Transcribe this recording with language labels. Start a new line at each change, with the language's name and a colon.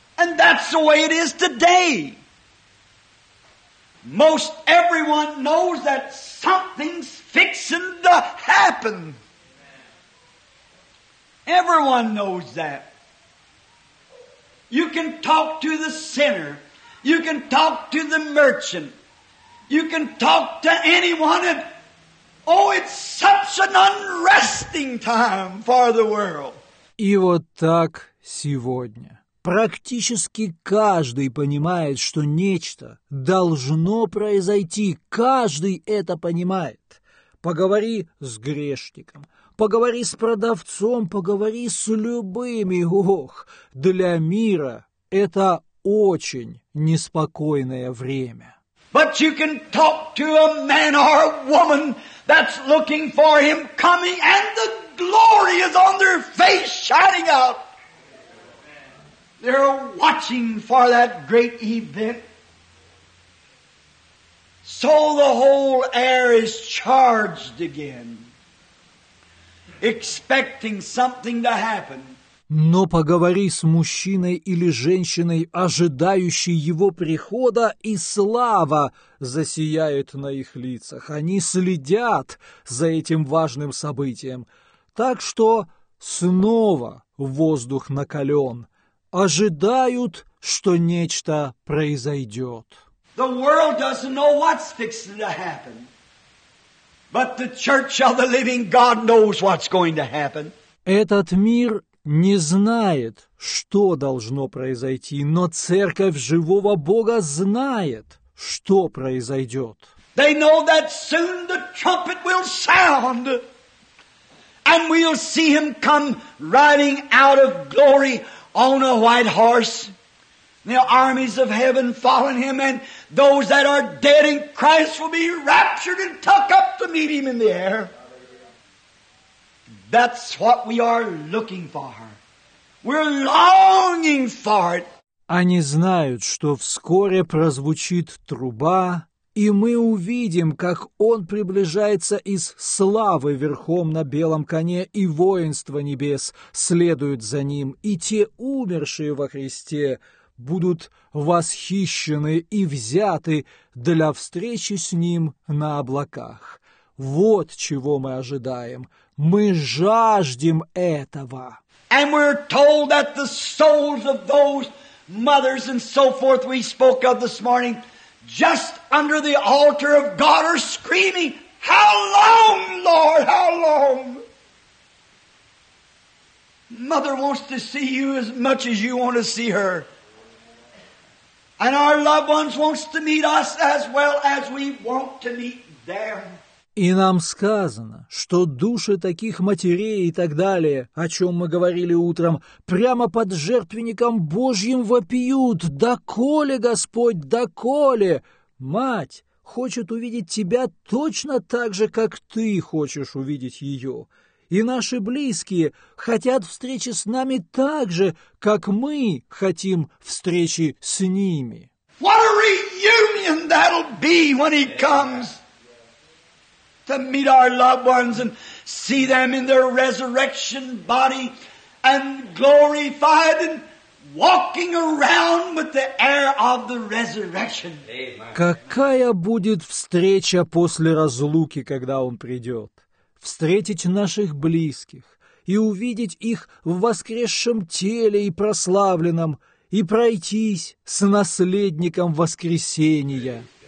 English: And that's the way it is today. Most everyone knows that something's fixing to happen. Everyone knows that. You can talk to the sinner. You can talk to the merchant. You can talk to anyone. And, oh, it's such an unresting time for the world.
Russian: И вот так сегодня. Практически каждый понимает, что нечто должно произойти. Каждый это понимает. Поговори с грешником. Поговори с продавцом, поговори с любыми. Ох, для мира это очень неспокойное время.
English: But you can talk to a man or a woman that's looking for him coming, and the glory is on their face shining out. They're watching for that great event. So the whole air is charged again. Expecting something to happen.
Russian: Но поговори с мужчиной или женщиной, ожидающей его прихода, и слава засияет на их лицах. Они следят за этим важным событием. Так что снова воздух накален. Ожидают, что нечто произойдет.
English: The world doesn't know what's fixing to happen. But the church of the living God knows what's going to happen.
Russian: Этот мир не знает, что должно произойти, но церковь живого Бога знает, что произойдет.
English: They know that soon the trumpet will sound, and we'll see him come riding out of glory on a white horse. The armies of heaven following him, and those that are dead in Christ will be raptured and tucked up to meet him in the air. That's what we are looking for. We're longing for it.
Russian: Они знают, что вскоре прозвучит труба, и мы увидим, как он приближается из славы верхом на белом коне, и воинство небес следует за ним, и те умершие во Христе будут восхищены и взяты для встречи с Ним на облаках. Вот чего мы ожидаем. Мы жаждем этого.
English: And we're told that the souls of those mothers and so forth we spoke of this morning just under the altar of God are screaming, How long, Lord, how long? Mother wants to see you as much as you want to see her. And our loved ones wants to meet us as well as we want to meet them.
Russian: И нам сказано, что души таких матерей и так далее, о чем мы говорили утром, прямо под жертвенником Божьим вопиют. Доколе, Господь, доколе? Мать хочет увидеть тебя точно так же, как ты хочешь увидеть ее. И наши близкие хотят встречи с нами так же, как мы хотим встречи с ними.
English: What a reunion that'll be when he comes to meet our loved ones and see them in their resurrection body and glorified and walking around with the air of the resurrection.
Russian: Какая будет встреча после разлуки, когда он придет? Встретить наших близких и увидеть их в воскресшем теле и прославленном, и пройтись с наследником воскресения.